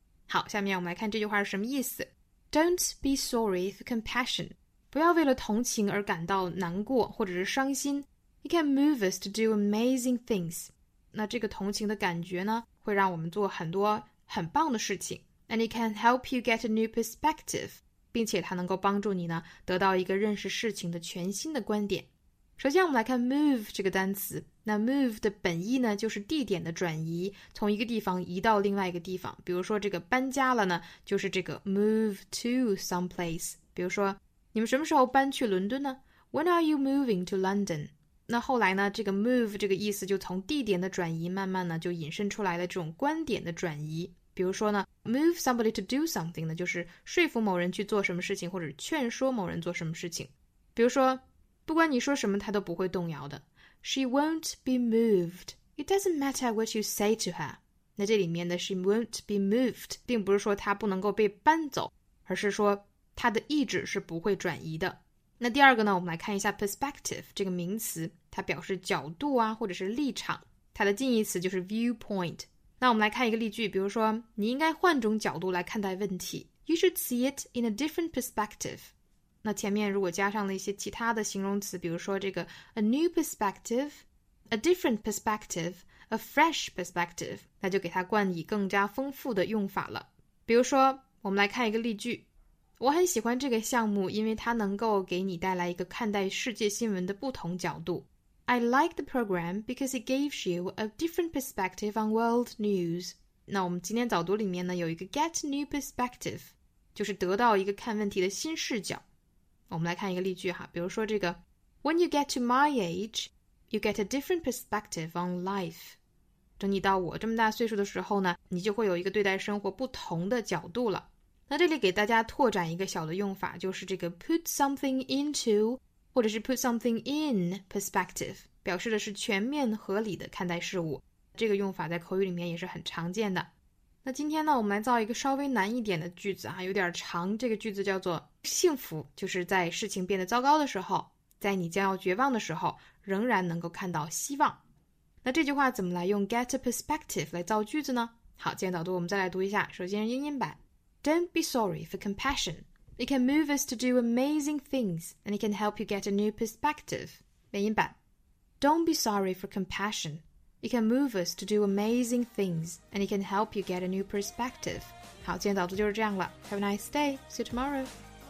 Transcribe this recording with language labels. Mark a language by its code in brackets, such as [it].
[zh] 好，下面我们来看这句话是什么意思。 [en] Don't be sorry for compassion. [zh] 不要为了同情而感到难过或者是伤心。 [en] It can move us to do amazing things. [zh] 那这个同情的感觉呢，会让我们做很多很棒的事情。 [en] And it can help you get a new perspective. [zh] 并且它能够帮助你呢，得到一个认识事情的全新的观点。首先我们来看 move 这个单词。那 move 的本意呢，就是地点的转移，从一个地方移到另外一个地方。比如说这个搬家了呢，就是这个 [en] move to someplace。 [zh] 比如说你们什么时候搬去伦敦呢？ [en] When are you moving to London? [zh] 那后来呢，这个 move 这个意思就从地点的转移慢慢呢就引申出来了这种观点的转移。比如说呢， [en] move somebody to do something [zh] 呢，就是说服某人去做什么事情，或者劝说某人做什么事情。比如说不管你说什么，他都不会动摇的。 [en] She won't be moved. It doesn't matter what you say to her. [zh] 那这里面的 [en] she won't be moved [zh] 并不是说她不能够被搬走，而是说她的意志是不会转移的。那第二个呢，我们来看一下 perspective 这个名词，它表示角度啊，或者是立场。它的近义词就是 viewpoint。那我们来看一个例句，比如说你应该换种角度来看待问题。 [en] You should see it in a different perspective. [zh] 那前面如果加上了一些其他的形容词，比如说这个 [en] a new perspective, a different perspective, a fresh perspective, [zh] 那就给它冠以更加丰富的用法了。比如说我们来看一个例句，我很喜欢这个项目，因为它能够给你带来一个看待世界新闻的不同角度。 [en] I like the program because it gives you a different perspective on world news. [zh] 那我们今天早读里面呢有一个 [en] get new perspective, [zh] 就是得到一个看问题的新视角。我们来看一个例句哈，比如说这个 [en] When you get to my age, you get a different perspective on life. [zh] 等你到我这么大岁数的时候呢，你就会有一个对待生活不同的角度了。那这里给大家拓展一个小的用法，就是这个 [en] put something into, [zh] 或者是 [en] put something in perspective, [zh] 表示的是全面合理的看待事物。这个用法在口语里面也是很常见的。那今天呢，我们来造一个稍微难一点的句子啊，有点长。这个句子叫做幸福就是在事情变得糟糕的时候，在你将要绝望的时候，仍然能够看到希望。那这句话怎么来用 [en] get a perspective [zh] 来造句子呢？好，今天导读我们再来读一下。首先是英音版， [en] Don't be sorry for compassion. It can move us to do amazing things and it can help you get a new perspective. [zh] 美音版， [en] Don't be sorry for compassion. It can move us to do amazing things, and it can help you get a new perspective. [zh] 好，今天早读就是这样了。 [en] Have a nice day. See you tomorrow.